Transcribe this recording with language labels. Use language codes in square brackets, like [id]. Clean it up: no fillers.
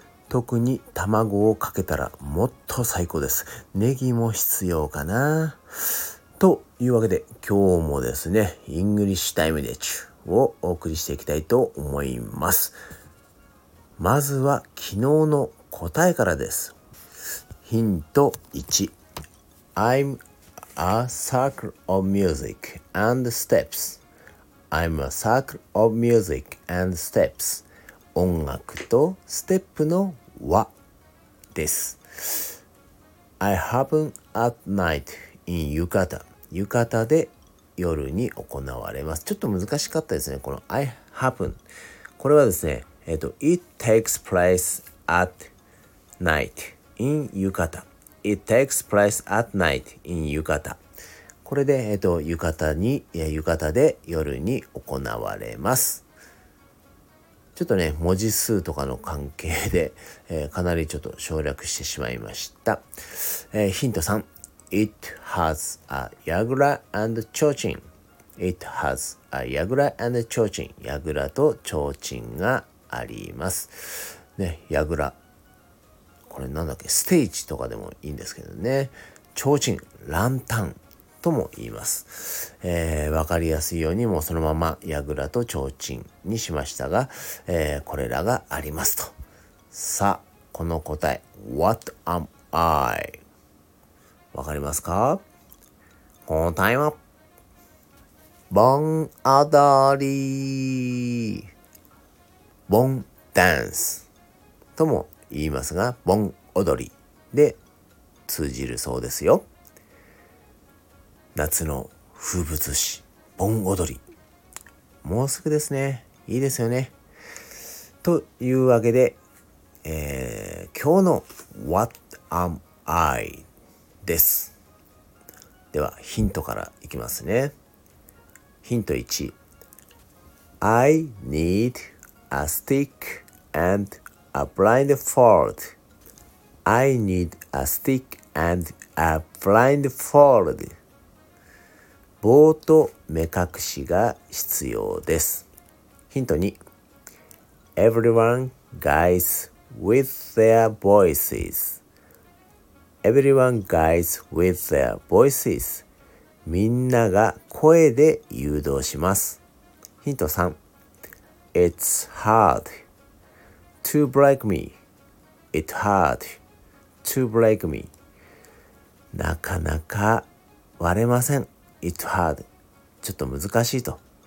[ja] 特に卵をかけたらもっと最高です。ネギも必要かな。というわけで、今日もですね、イングリッシュタイムで中をお送りしていきたいと思います。まずは昨日の答えからです。ヒント1、 [en] I'm a circle of music and steps. I'm a circle of music and steps. [ja] 音楽とステップの輪です。 [en] I happen at night in 浴衣。 [ja] 浴衣で夜に行われます。ちょっと難しかったですね、この [en] I happen。 [ja] これはですね、 [en] It takes place at night in 浴衣。 It takes place at night in 浴衣。 [ja] これで、浴衣で夜に行われます。ちょっとね、文字数とかの関係で、かなりちょっと省略してしまいました。ヒント3。 [en] It has a yagura and chochin. It has a yagura and chochin. [ja] やぐらとちょうちんがあります。ね、やぐら。これなんだっけ、ステージとかでもいいんですけどね。ちょうちん、ランタンとも言います。わかりやすいようにもうそのままやぐらとちょうちんにしましたが、これらがありますと。さあ、この答え。 [en] What am I? [ja] わかりますか？この答えは、盆踊り。ボンダンスとも言いますが、ボン踊りで通じるそうですよ。夏の風物詩、ボン踊り。もうすぐですね。いいですよね。というわけで、今日の [en] What am I [ja] です。ではヒントからいきますね。ヒント1。 [en] I needA stick and a blindfold. I need a stick and a blindfold. [ja] 棒と目隠しが必要です。ヒント2。 [en] Everyone guides with their voices. Everyone guides with their voices. [ja] みんなが声で誘導します。ヒント3。 [en] It's hard to break me. It's hard to break me. [ja] なかなか割れません。 [en] It's hard. [ja] ちょっと難しいと。